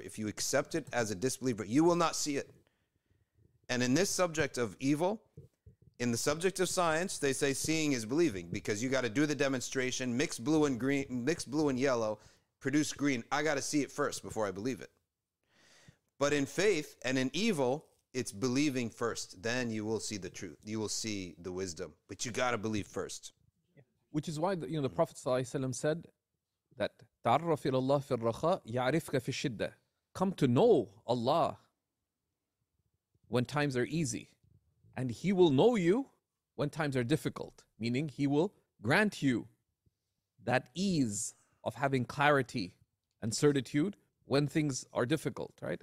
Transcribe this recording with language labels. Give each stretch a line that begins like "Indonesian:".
English: If you accept it as a disbeliever, you will not see it. And in this subject of evil, in the subject of science, they say seeing is believing, because you got to do the demonstration, mix blue and green, mix blue and yellow, produce green. I got to see it first before I believe it. But in faith and in evil, it's believing first. Then you will see the truth. You will see the wisdom. But you got to believe first. Which is why the Prophet ﷺ said that
Arabic: تعرف إلى الله في الرخاء يعرفك في الشدة.
English: Come to know Allah when times are easy. And He will know you when times are difficult. Meaning He will grant you that ease of having clarity and certitude when things are difficult, right?